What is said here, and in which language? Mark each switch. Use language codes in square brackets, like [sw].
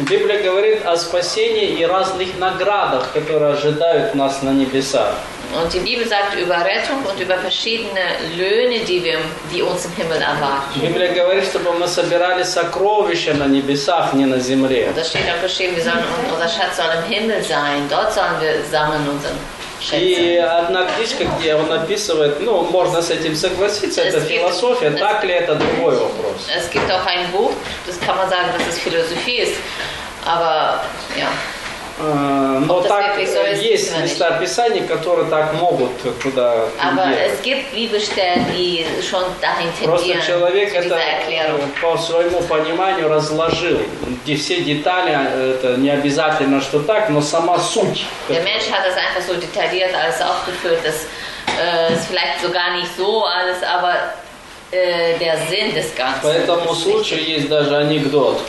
[ru] Библия говорит о спасении и разных наградах, которые ожидают нас на небесах. [de] Und die Bibel sagt über Rettung und über verschiedene Löhne, die uns im Himmel erwarten. Die Bibel [ru] говорит, чтобы мы собирали сокровища на небесах, не на земле. [de] Und da steht auch geschrieben, wir sollen unser Schatz soll im Himmel sein. Dort sollen wir sammeln unseren Schätze. [ru] И одна книжка, где он описывает, ну, можно с этим согласиться, это философия, так ли это другой вопрос. [de] Es gibt auch ein Buch, das kann man sagen, dass es Philosophie ist, aber ja. [ru] Но так есть места Писания, которые так могут туда идти. Просто человек это по своему пониманию разложил. Где все детали, это не обязательно, что так, но сама суть. [de] Der Mensch hat das einfach so detailliert alles aufgeführt, dass es vielleicht sogar nicht so alles, aber der Sinn des Ganzen. [ru] По этому случаю есть даже анекдот.